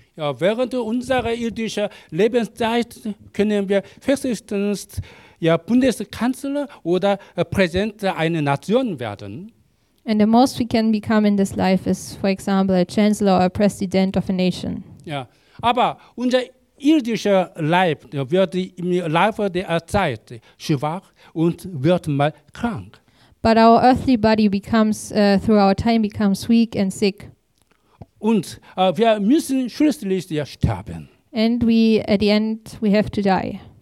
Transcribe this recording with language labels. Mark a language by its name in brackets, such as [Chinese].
[German] Ja, während unserer irdischen Lebenszeit können wir höchstens ja Bundeskanzler oder Präsident einer Nation werden. [English] And the most we can become in this life is, for example, a chancellor or a president of a nation. [German] Ja, aber unser irdischer Leib wird im Laufe der Zeit schwach und wird mal krank. [English] But our earthly body becomes, through our time, becomes weak and sick. [German] Und wir müssen schließlich sterben. [English] And we, at the end, we have to die.